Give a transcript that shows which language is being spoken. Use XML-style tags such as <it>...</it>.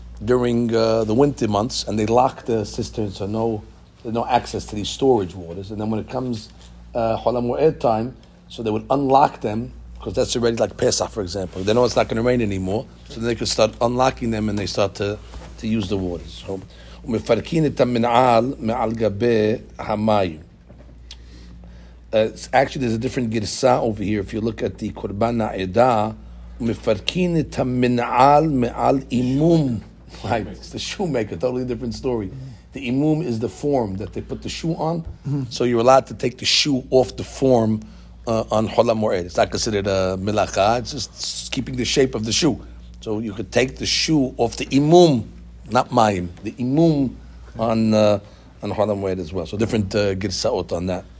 <en>during the winter months, and they lock the cisterns, so no access to these storage waters. And then when it comes Chol HaMoed time, so they would unlock them, because that's already like Pesach, for example. They know it's not going to rain anymore, so then they could start unlocking them and they start to use the waters.</en> <he>So, ומפרקין את המנעל מעל גבי המים.</he> <en>Actually, there's a different girsa over here. If you look at the Korban HaEdah,</en> <he>ומפרקין את המנעל מעל אימום.</he> <en>Right, it's the shoemaker, totally different story. The imum is the form that they put the shoe on, so you're allowed to take the shoe off the form on Chol HaMoed. It's not considered a milacha, it's just keeping the shape of the shoe. So you could take the shoe off the imum, not mayim, the imum on Chol HaMoed as well. So different girsaot on that.</en>